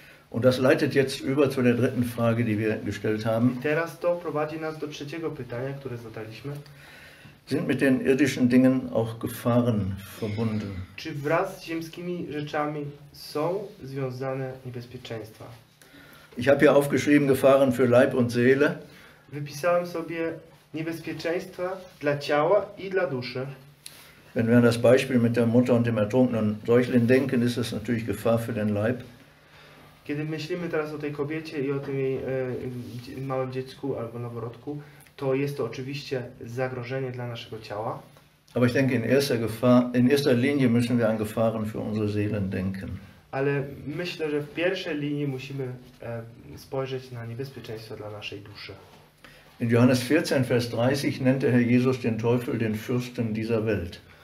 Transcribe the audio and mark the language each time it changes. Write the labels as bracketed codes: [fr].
[de] Und das leitet jetzt über zu der dritten Frage, die wir gestellt haben. [pl] I teraz to prowadzi nas do trzeciego pytania, które zadaliśmy. [de] Sind mit den irdischen Dingen auch Gefahren verbunden? [pl] Czy wraz z ziemskimi rzeczami są związane niebezpieczeństwa? [de] Ich habe hier aufgeschrieben Gefahren für Leib und Seele. [pl] Wypisałem sobie niebezpieczeństwa dla ciała i dla duszy. [de] Wenn wir an das Beispiel mit der Mutter und dem ertrunkenen Säugling denken, ist es natürlich Gefahr für den Leib. [pl] Kiedy myślimy teraz o tej kobiecie i o tym jej małym dziecku albo noworodku, to jest to oczywiście zagrożenie dla naszego ciała. [de] Aber ich denke, in erster Linie müssen wir an Gefahren für unsere Seelen denken. [pl] Ale myślę, że w pierwszej linii musimy spojrzeć na niebezpieczeństwo dla naszej duszy. [de] In Johannes 14, Vers 30 nennt der Herr Jesus den Teufel den Fürsten dieser Welt.